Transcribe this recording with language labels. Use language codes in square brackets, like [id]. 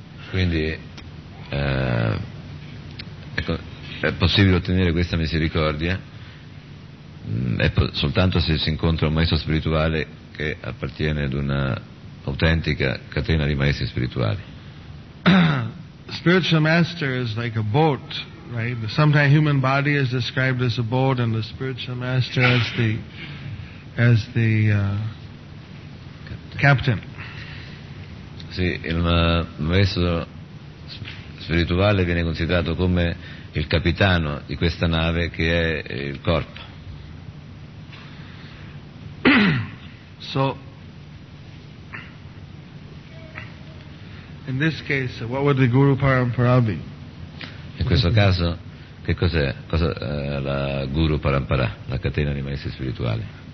[it] Quindi è possibile ottenere questa misericordia soltanto se si incontra un maestro spirituale che appartiene ad una autentica catena di maestri spirituali. [en] Spiritual master is like a boat, right? Sometimes human body is described as a boat and the spiritual master as the captain. [it] Sì, il maestro spirituale viene considerato come il capitano di questa nave che è il corpo. [en] So, in this case, what would the Guru Parampara be? [it] In questo caso, che cos'è? Cosa la Guru Parampara, la catena di maestri spirituali?